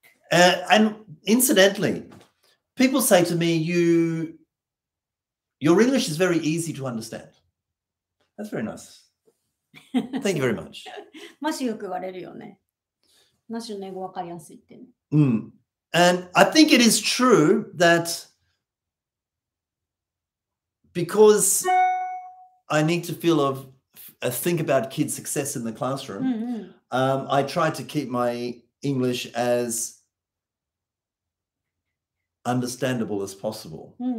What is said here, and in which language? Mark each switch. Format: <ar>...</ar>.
<en>And incidentally, people say to me, your English is very easy to understand. That's very nice. Thank you very much.</en> <ja>マシよく言われるよね。マシの英語わかりやすいってね。</ja> <en>And I think it is true that because I need to think about kids' success in the classroom, I try to keep my English as understandable as possible.</en>